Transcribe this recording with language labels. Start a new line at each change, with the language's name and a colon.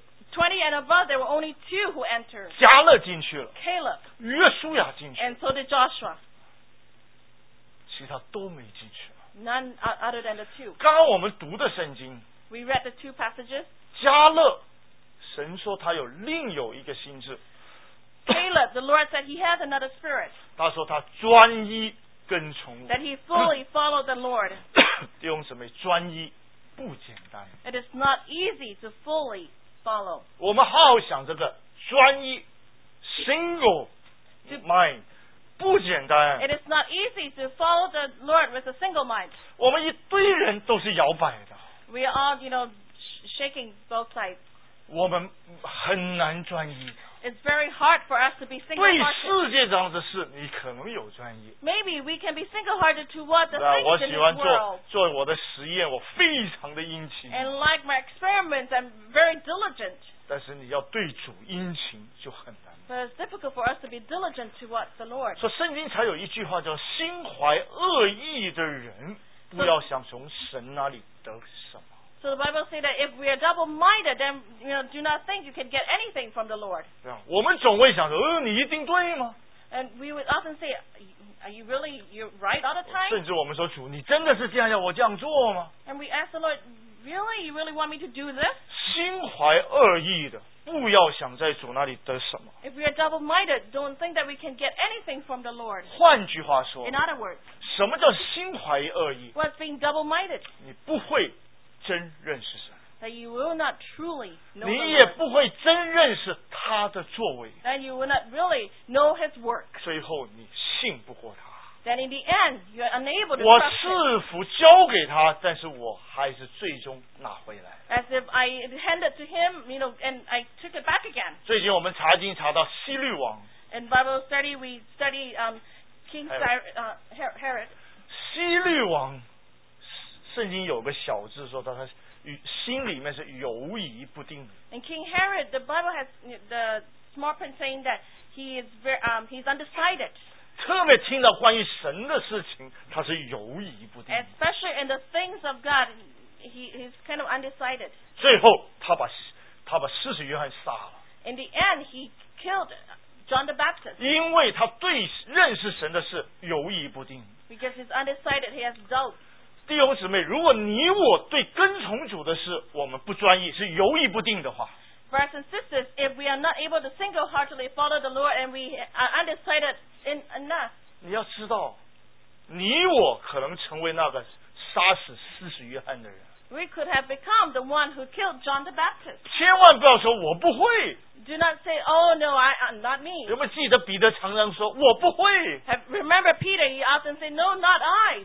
English: 20 and above, there were only two who entered.
Chinese: 加勒进去了，
English: Caleb.
Chinese: 约书亚进去了，
English: and so did Joshua.
Chinese: 其他都没进去了，
English: none other than the two.
Chinese: 刚刚我们读的圣经，
English: we read the two passages.
Chinese: 加勒，神说他有另有一个心智。
English: Caleb, the Lord said he has another spirit.
Chinese: 他说他专一跟从我。
English: That he fully followed the Lord.
Chinese: 弟兄姊妹，专一不简单。
English: It is not easy to fully follow.
Chinese: 我们好想这个专一 ，
English: single mind
Chinese: 不简单。
English: It is not easy to follow the Lord with a single mind.
Chinese: 我们一堆人都是摇摆的。
English: We are, you know, shaking both sides.
Chinese: 我们很难专一。
English: It's very hard for us to be single-hearted.
Chinese: 对世界上的事，你可能有专一。
English: Maybe we can be single-hearted to what the things in the world.
Chinese: 我喜欢做我的实验，我非常的殷勤。
English: And like my experiments, I'm very diligent.
Chinese: 但是你要对主殷勤就很难。
English: But it's difficult for us to be diligent towards the Lord.
Chinese: 所以圣经才有一句话叫“心怀恶意的人，不要想从神那里得什么。”
English: So the Bible says that if we are double-minded, then you know, do not think you can get anything from the Lord.
Chinese: 我们总会想说，你一定对吗？
English: And we would often say, are you really you're right all the time?
Chinese: 甚至我们说，主，你真的是这样要我这样做吗？
English: And we ask the Lord, really, you really want me to do this?
Chinese: 心怀恶意的，不要想在主那里得什么。
English: If we are double-minded, don't think that we can get anything from the Lord.
Chinese: 换句话说，
English: In other words,
Chinese: 什么叫心怀恶意？
English: What's being double-minded?
Chinese: 你不会真认识神。
English: That you will not truly know.
Chinese: 你也不会真认识他的作为。
English: And you will not really know his work.
Chinese: 最后你信不过他。
English: Then in the end, you are unable to trust.
Chinese: 我赐福交给他，但是我还是最终拿回来。
English: As if I handed to him, you know, and I took it back again.
Chinese: 最近我们查经查到希律王。
English: In Bible study, we study King Herod.
Chinese: 希律王。圣经有个小字说到他心里面是犹疑不定的。
English: And King Herod, the Bible has the small print saying that he is very, he's undecided.
Chinese: 特别听到关于神的事情，他是犹疑不定。
English: Especially in the things of God, he's kind of undecided.
Chinese: 最后他把施洗约翰杀了。
English: In the end, he killed John the Baptist.
Chinese: 因为他对认识神的事犹疑不定。
English: Because he's undecided, he has doubts.
Chinese: 弟兄姊妹，如果你我对跟从主的事我们不专一，是犹豫不定的话，
English: Brothers and sisters, if we are not able to single-heartedly follow the Lord and we are undecided enough,
Chinese: 你要知道，你我可能成为那个杀死施洗约翰的人。
English: We could have become the one who killed John the Baptist.
Chinese: 千万不要说我不会。
English: Do not say, oh no, I'm not me.
Chinese: 有没有记得彼得常常说我不会。
English: Remember Peter, he often said, no, not I.